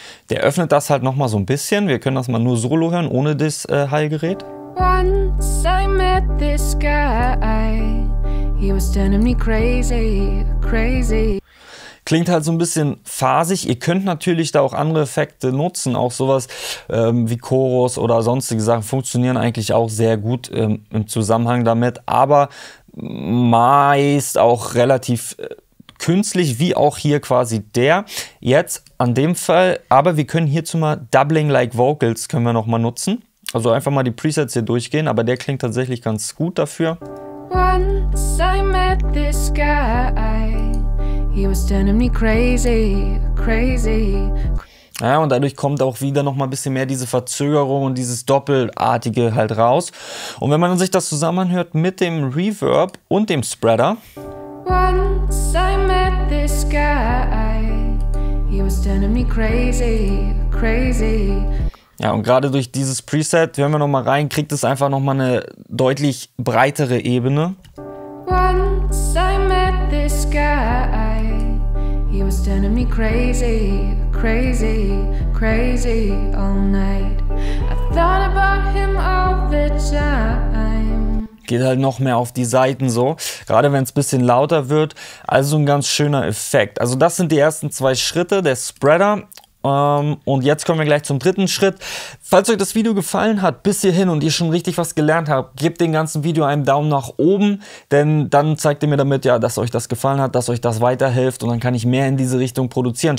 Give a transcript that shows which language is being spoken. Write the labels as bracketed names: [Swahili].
[German] Der öffnet das halt nochmal so ein bisschen. Wir können das mal nur solo hören, ohne das Heilgerät. [English] Once I met this guy, he was turning me crazy, crazy. [German] Klingt halt so ein bisschen phasig. Ihr könnt natürlich da auch andere Effekte nutzen. Auch sowas wie Chorus oder sonstige Sachen funktionieren eigentlich auch sehr gut im Zusammenhang damit. Aber meist auch relativ künstlich, wie auch hier quasi der. Jetzt an dem Fall, aber wir können hierzu mal Doubling-like Vocals können wir nochmal nutzen. Also einfach mal die Presets hier durchgehen, aber der klingt tatsächlich ganz gut dafür. [English] Once I met this guy, he was turning me crazy, crazy. [German] Ja, und dadurch kommt auch wieder nochmal ein bisschen mehr diese Verzögerung und dieses Doppelartige halt raus. Und wenn man sich das zusammenhört mit dem Reverb und dem Spreader. [English] Once I met this guy, he was turning me crazy, crazy. [German] Ja, und gerade durch dieses Preset, hören wir nochmal rein, kriegt es einfach nochmal eine deutlich breitere Ebene. [English] Once I met this guy, he was turning me crazy, crazy, crazy all night. I thought about him all the time. [German] Geht halt noch mehr auf die Seiten so, gerade wenn es ein bisschen lauter wird. Also ein ganz schöner Effekt. Also das sind die ersten zwei Schritte, der Spreader. Und jetzt kommen wir gleich zum dritten Schritt. Falls euch das Video gefallen hat bis hierhin und ihr schon richtig was gelernt habt, gebt dem ganzen Video einen Daumen nach oben, denn dann zeigt ihr mir damit, ja, dass euch das gefallen hat, dass euch das weiterhilft und dann kann ich mehr in diese Richtung produzieren.